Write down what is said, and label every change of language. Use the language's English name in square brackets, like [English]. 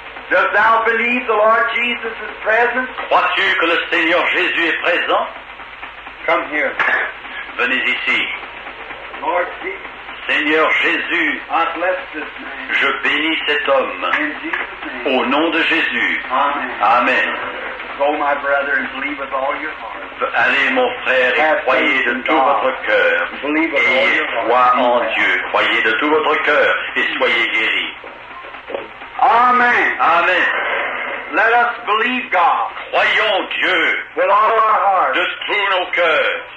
[English] Dost thou believe the Lord Jesus is present? [French] Crois-tu que le Seigneur Jésus est présent? [English] Come here. [French] Venez ici. [English] Lord Jesus. [French] Seigneur Jésus, [English] I bless this man. [French] Je bénis cet homme. [English] In Jesus' name. [French] Au nom de Jésus. Amen. Amen. [English] Go, my brother, and believe with all your heart. [French] Allez, mon frère, et croyez de tout votre cœur. Ayez foi en Dieu. Croyez de tout votre cœur et soyez guéri. Amen. Amen. [English] Let us believe God. [French] Croyons Dieu. [English] With all our heart. [French] De tout nos cœurs.